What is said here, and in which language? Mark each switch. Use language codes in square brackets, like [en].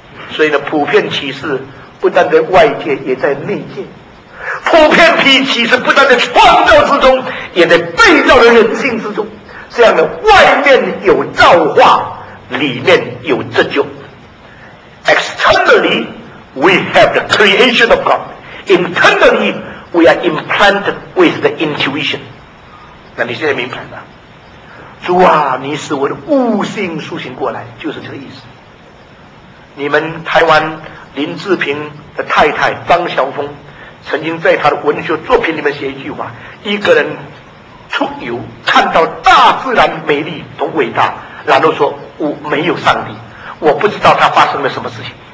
[zh] 所以呢，普遍启示不但在外界，也在内界。普遍启示不但在创造之中，也在被造的人性之中。这样的外面有造化，里面有拯救。 [en] Externally, we have the creation of God. Internally. We are implanted with the intuition. [zh] 那你现在明白了？主啊，你使我的悟性苏醒过来，就是这个意思。你们台湾林志平的太太张晓峰曾经在他的文学作品里面写一句话：一个人出游看到大自然美丽多伟大，然后说我没有上帝，我不知道他发生了什么事情。